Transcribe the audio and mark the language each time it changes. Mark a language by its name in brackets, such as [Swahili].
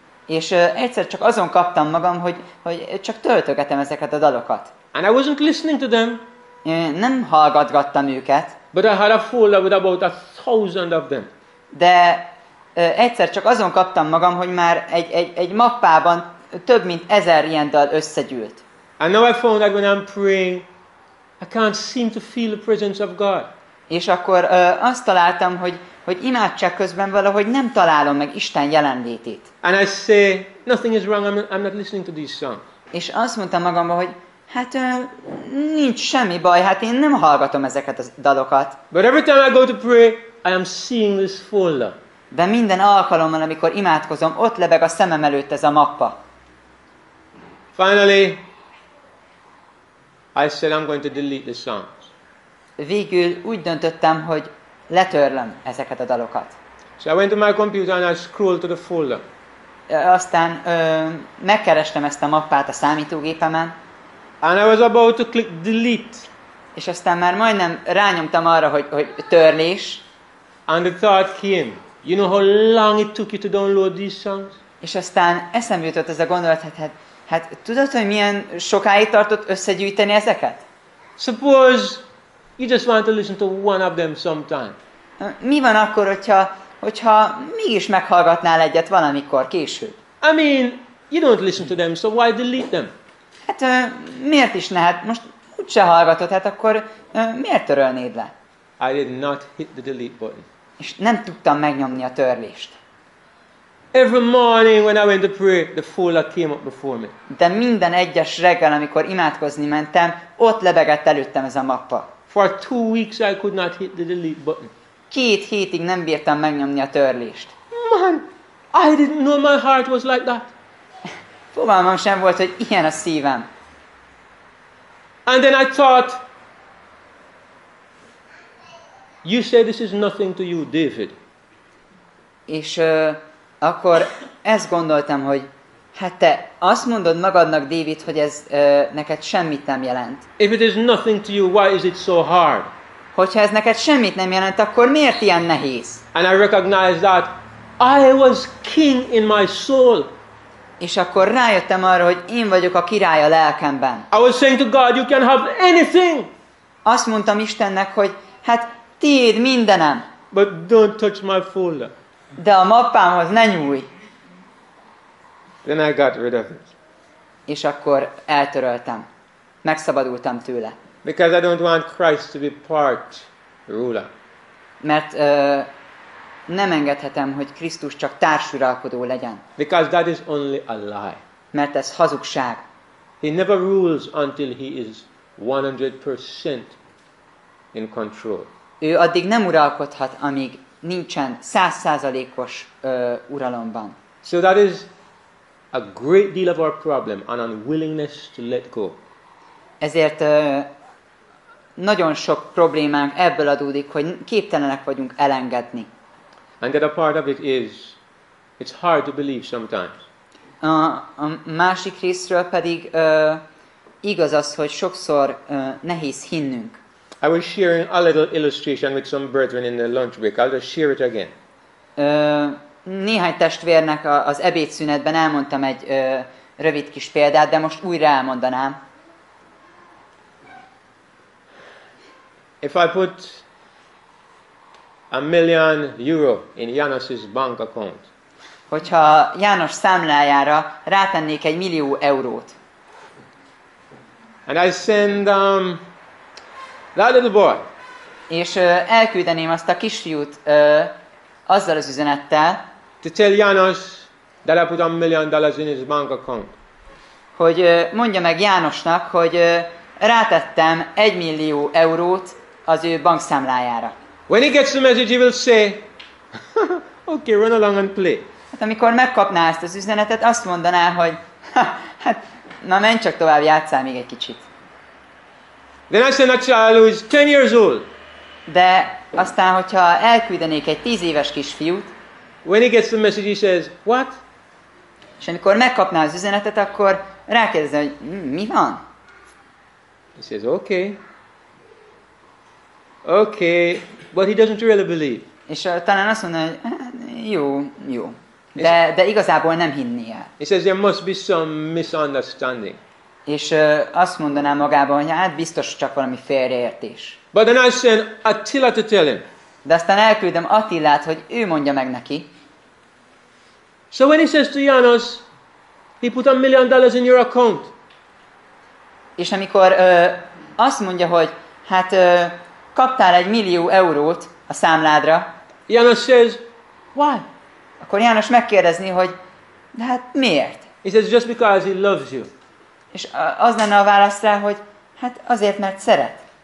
[Hungarian] És egyszer csak azon kaptam magam, hogy csak töltögetem ezeket a dalokat. [English] And I wasn't listening to them. [Hungarian] Nem hallgatgattam őket. [English] But I had a folder with about 1,000 of them. [Hungarian] De egyszer csak azon kaptam magam, hogy már egy mappában több mint 1000 ilyen dal összegyűlt. [English] And now I found that when I'm praying, I can't seem to feel the presence of God. [Hungarian] És akkor azt találtam, hogy hogy imádság közben valahogy nem találom meg Isten jelenlétét. [English] And I say, nothing is wrong, I'm not listening to these songs. [Hungarian] És azt mondtam magamban, hogy hát nincs semmi baj, hát én nem hallgatom ezeket a dalokat. [English] But every time I go to pray, I am seeing this folder. [Hungarian] De minden alkalommal, amikor imádkozom, ott lebeg a szemem előtt ez a mappa. [English] Finally, I said I'm going to delete the songs. [Hungarian] Végül úgy döntöttem, hogy letörlöm ezeket a dalokat. [English] So I went to my computer and I scrolled to the folder. [Hungarian] Aztán megkerestem ezt a mappát a számítógépemen. [English] And I was about to click delete. [Hungarian] És aztán már majdnem rányomtam arra, hogy törlés. [English] And the thought came. You know how long it took you to download these songs? [Hungarian] És aztán eszembe jutott ez a gondolat, hát tudod, hogy milyen sokáig tartott összegyűjteni ezeket? [English] Suppose you just want to listen to one of them sometime. [Hungarian] Mi van akkor, hogyha mégis meghallgatnál egyet valamikor később? [English] I mean, you don't listen to them, so why delete them? [Hungarian] Hát miért is ne? Hát most úgyse hallgatod, hát akkor miért törölnéd le? [English] I did not hit the delete button. [Hungarian] És nem tudtam megnyomni a törlést. [English] Every morning when I went to pray, the folder came up before me. [Hungarian] De minden egyes reggel, amikor imádkozni mentem, ott lebegett előttem ez a mappa. [English] For 2 weeks I could not hit the delete button. [Hungarian] 2 hétig nem bírtam megnyomni a törlést. [English] Man, I didn't know my heart was like that. [Hungarian] Fogalmam sem volt, hogy ilyen a szívem. [English] And then I thought, you say this is nothing to you, David. [Hungarian] És akkor ezt gondoltam, hogy hát te azt mondod magadnak, David, hogy ez neked semmit nem jelent. [English] If it is nothing to you, why is it so hard? [Hungarian] Hogyha ez neked semmit nem jelent, akkor miért ilyen nehéz? [English] And I recognized that I was king in my soul. [Hungarian] És akkor rájöttem arra, hogy én vagyok a király a lelkemben. [English] I was saying to God, you can have anything. [Hungarian] Azt mondtam Istennek, hogy hát tiéd mindenem. [English] But don't touch my folder. [Hungarian] De a mappámhoz ne nyúj. [English] Then I got rid of it. [Hungarian] És akkor eltöröltem. Megszabadultam tőle. [English] Because I don't want Christ to be part ruler. [Hungarian] Mert nem engedhetem, hogy Krisztus csak társuralkodó legyen. [English] Because that is only a lie. [Hungarian] Mert ez hazugság. [English] He never rules until he is 100% in control. [Hungarian] Ő addig nem uralkodhat, amíg nincsen 100%-os uralomban. [English] So that is a great deal of our problem, an unwillingness to let go. [Hungarian] Ezért nagyon sok problémánk ebből adódik, hogy képtelenek vagyunk elengedni. [English] And the other part of it is, it's hard to believe sometimes. [Hungarian] A másik részről pedig igaz az, hogy sokszor nehéz hinnünk. [English] I was sharing a little illustration with some brethren in the lunch break. I'll just share it again. [Hungarian] Néhány testvérnek az ebédszünetben elmondtam egy rövid kis példát, de most újra elmondanám. [English] If I put €1,000,000 in Janos's bank account. [Hungarian] Hogyha János számlájára rátennék 1 millió eurót. [English] And I send that little boy. [Hungarian] És elküldeném azt a kisfiút azzal az üzenettel. [English] To tell János that I put $1,000,000 in his bank account. [Hungarian] Hogy mondja meg Jánosnak, hogy rátettem 1 millió eurót az ő bankszámlájára. [English] When he gets the message, he will say, okay, run along and play. [Hungarian] Hát amikor megkapná ezt az üzenetet, azt mondaná, hogy hát, na menj csak tovább, játsszál még egy kicsit. [English] Then I send a child who is 10 years old. [Hungarian] De aztán, hogyha elküldenék egy 10 éves kisfiút, [English] when he gets the message, he says, what? [Hungarian] És amikor megkapná az üzenetet, akkor rákérdezem, hogy mi van? [English] He says, okay. Okay. But he doesn't really believe. [Hungarian] És talán azt mondja, hogy jó. De igazából nem hinni el. [English] He says there must be some misunderstanding. [Hungarian] És azt mondaná magában, hogy hát biztos csak valami félreértés. [English] But then I send Attila to tell him. [Hungarian] De aztán elküldöm Attilát, hogy ő mondja meg neki. [English] So when he says to Janos, he put $1,000,000 in your account. [Hungarian] És amikor azt mondja, hogy hát kaptál 1 millió eurót a számládra. [English] János says, why? [Hungarian] Akkor János megkérdezni, hogy de hát miért? [English] He says, just because he loves you. [Hungarian] És az lenne a válasz rá, hogy hát azért, mert szeret.